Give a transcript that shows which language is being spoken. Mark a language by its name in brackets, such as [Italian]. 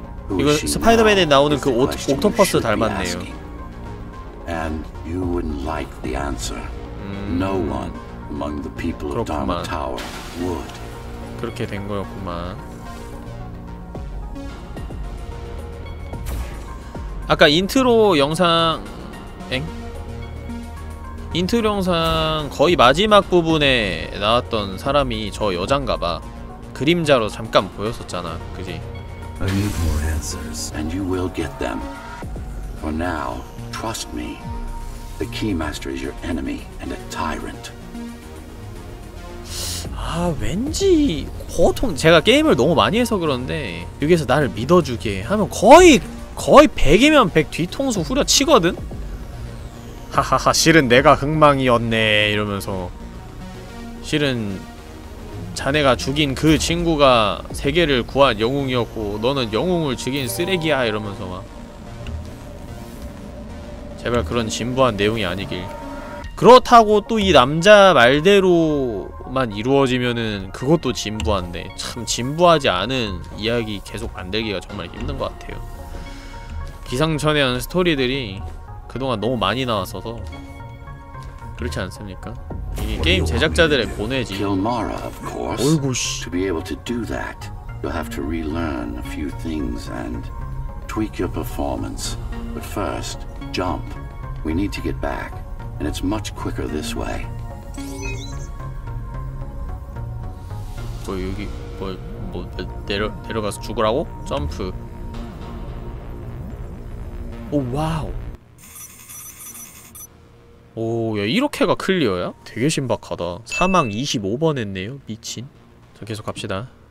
[Korean] 이거 스파이더맨에 나오는 그 옥토퍼스 닮았네요. [English] And you wouldn't like the answer. No one among the people of Dharma Tower would. [Korean] 그렇게 된 거였구만. 아까 인트로 영상 엥? 인트로 영상 거의 마지막 부분에 나왔던 사람이 저 여잔가봐. 그림자로 잠깐 보였었잖아, 그지? [English] I need more answers, and you will get them. For now, trust me. The Keymaster is your enemy and a tyrant. [Korean] 아, 왠지 보통 제가 게임을 너무 많이 해서 그런데 여기에서 나를 믿어주게 하면 거의 100이면 100 뒤통수 후려치거든? 하하하, 실은 내가 흥망이었네 이러면서, 실은 자네가 죽인 그 친구가 세계를 구한 영웅이었고 너는 영웅을 죽인 쓰레기야 이러면서 막. 제발 그런 진부한 내용이 아니길. 그렇다고 또 이 남자 말대로만 이루어지면은 그것도 진부한데, 참 진부하지 않은 이야기 계속 만들기가 정말 힘든 것 같아요. 기상천외한 스토리들이 그동안 너무 많이 나왔어서 그렇지 않습니까? 이게 게임 제작자들의 고뇌지. 어이구 씨. [English] To be able to do that, you'll have to relearn a few things and tweak your performance. But first, jump. We need to get back, and it's much quicker this way. [Korean] 뭐 여기 뭐 내려가서 죽으라고? 점프. 오 와우. 오, 야 이렇게가 클리어야? 되게 신박하다. 사망 25번 했네요. 미친. 자, 계속 갑시다.